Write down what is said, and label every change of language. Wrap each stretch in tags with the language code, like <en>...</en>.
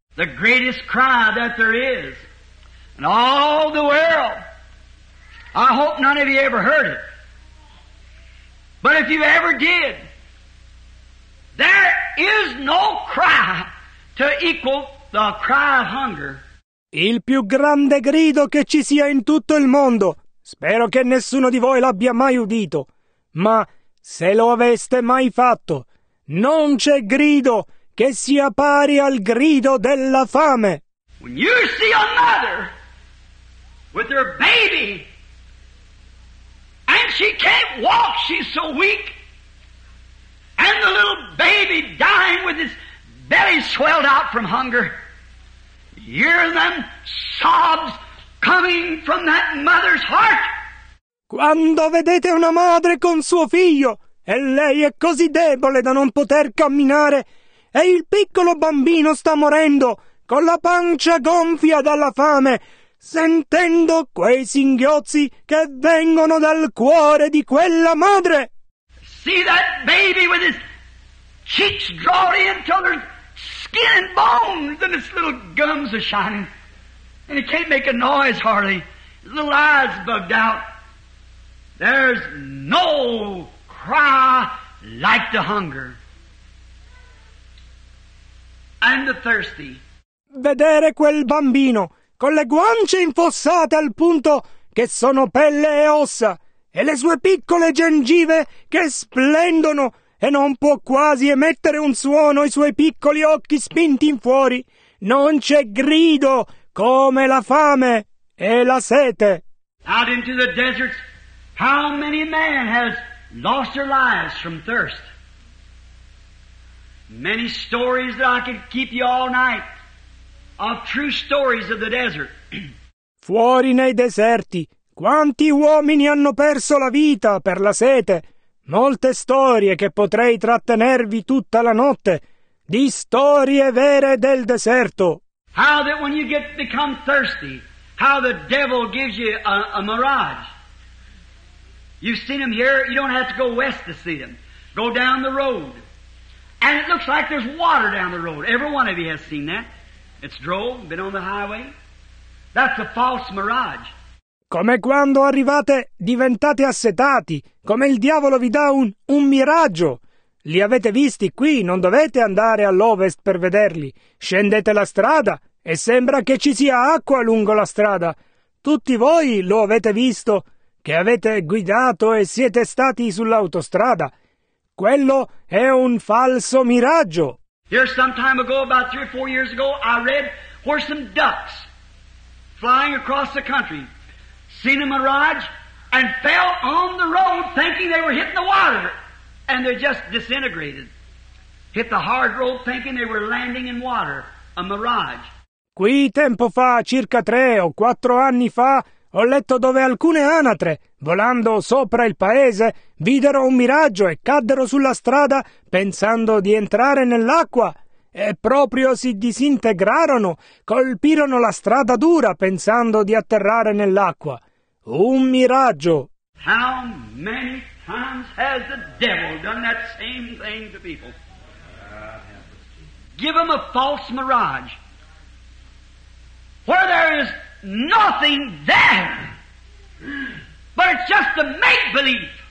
<en>The greatest cry that there is in all the world. I hope none of you ever heard it. But if you ever did, there is no cry to equal the cry of hunger.</en> <it>Il più grande grido che ci sia in tutto il mondo. Spero che nessuno di voi l'abbia mai udito. Ma se lo aveste mai fatto, non c'è grido che sia pari al grido della fame.</it> <en>When you see a mother with her baby and she can't walk, she's so weak, and the little baby dying with his belly swelled out from hunger, hear them sobs coming from that mother's heart.</en> <it>Quando vedete una madre con suo figlio e lei è così debole da non poter camminare e il piccolo bambino sta morendo con la pancia gonfia dalla fame, sentendo quei singhiozzi che vengono dal cuore di quella madre.</it> <en>See that baby with his cheeks drawn in till they're skin and bones, and his little gums are shining, and he can't make a noise hardly. His little eyes bugged out. There's no cry like the hunger and the thirsty.</en> <it>Vedere quel bambino con le guance infossate al punto che sono pelle e ossa, e le sue piccole gengive che splendono e non può quasi emettere un suono, i suoi piccoli occhi spinti in fuori. Non c'è grido come la fame e la sete.</it> <en>Out into the deserts, how many men has lost their lives from thirst? Many stories that I could keep you all night of true stories of the desert.</en> <it>Fuori nei deserti, quanti uomini hanno perso la vita per la sete? Molte storie che potrei trattenervi tutta la notte, di storie vere del deserto.</it> <en>How that when you get become thirsty, how the devil gives you a mirage. You've seen them here, you don't have to go west to see them. Go down the road. And it looks like there's water down the road. Every one of you has seen that. It's drove, been on the highway. That's a false mirage.</en> <it>Come quando arrivate, diventate assetati, come il diavolo vi dà un miraggio. Li avete visti qui, non dovete andare all'ovest per vederli. Scendete la strada e sembra che ci sia acqua lungo la strada. Tutti voi lo avete visto, che avete guidato e siete stati sull'autostrada. Quello è un falso miraggio.</it> <en>Here some time ago, about 3 or 4 years ago, I read where some ducks flying across the country seen a mirage and fell on the road thinking they were hitting the water, and they just disintegrated. Hit the hard road thinking they were landing in water. A mirage.</en> <it>Qui tempo fa, circa 3 o 4 anni fa, ho letto dove alcune anatre, volando sopra il paese, videro un miraggio e caddero sulla strada pensando di entrare nell'acqua. E proprio si disintegrarono, colpirono la strada dura pensando di atterrare nell'acqua. Un miraggio.</it> <en>How many times has the devil done that same thing to people? Give them a false mirage. Where there is nothing there, but it's just a make-believe.</en>